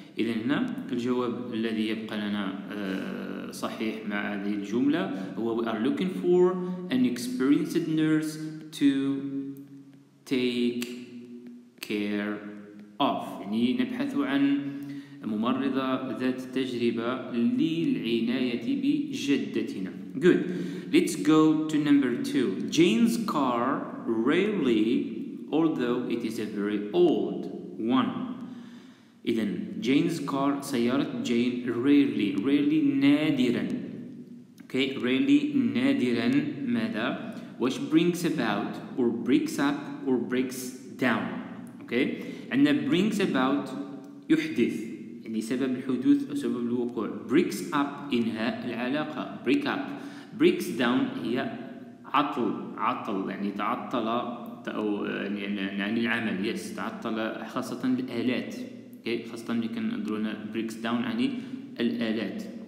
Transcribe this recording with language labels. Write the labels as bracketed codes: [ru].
[ar] إذن هنا الجواب الذي يبقى لنا صحيح مع هذه الجملة هو [en] we are looking for an experienced nurse to take care of، [ar] يعني نبحث عن ممرضة ذات تجربة للعناية بجدتنا. [en] Good. Let's go to number two. Jane's car rarely, although it is a very old one. [ar] إذن Jane's car، سيارة Jane، rarely، rarely نادرا. [en] rarely [ar] نادرا ماذا؟ [en] which brings about or breaks up or breaks down. [ar] عندنا [en] brings about [ar] يحدث، يعني سبب الحدوث أو سبب الوقوع. [en] breaks up [ar] إنهاء العلاقة، break up. [en] breaks down [ar] هي عطل، عطل يعني تعطل أو يعني العمل. yes، تعطل خاصة الآلات. خاصة اللي كنقولنا [en] breaks down [ar] يعني الآلات.